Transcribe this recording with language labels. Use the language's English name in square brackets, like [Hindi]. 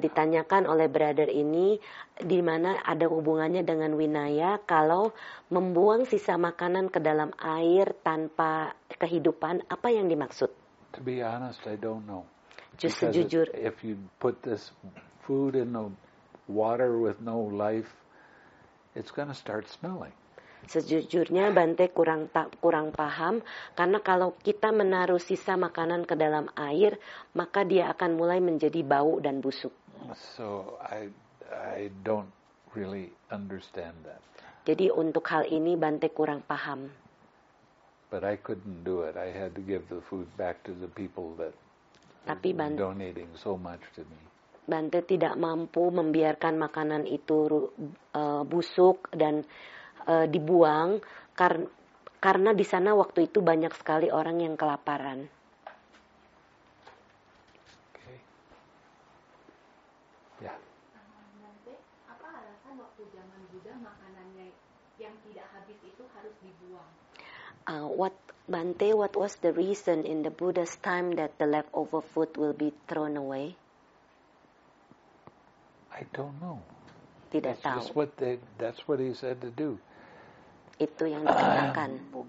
[Indonesian] Ditanyakan oleh brother ini, di mana ada hubungannya dengan Vinaya, kalau membuang sisa makanan ke dalam air tanpa kehidupan, apa yang dimaksud? [English] To be honest, I don't know. [Indonesian] Just sejujur. [English] If you put this food in the water with no life, it's going to start smelling. [Indonesian] Sejujurnya Bante kurang paham, karena kalau kita menaruh sisa makanan ke dalam air, maka dia akan mulai menjadi bau dan busuk. [English] So I don't really understand that. [Indonesian] Jadi untuk hal ini Bante kurang paham. [English] But I couldn't do it. I had to give the food back to the people that were donating so much to me. [Indonesian] Bante tidak mampu membiarkan makanan itu busuk dan dibuang karena di sana waktu itu banyak sekali orang yang kelaparan. [English] Okay. Yeah. [Indonesian] Nanti, apa alasan waktu zaman Buddha makanannya yang tidak habis itu harus dibuang? [English] What was the reason in the Buddha's time that the leftover food will be thrown away? I don't know. [Indonesian] Tidak [English] that's [Indonesian] tahu. [English] That's what he said to do. [Indonesian] itu yang dikatakan.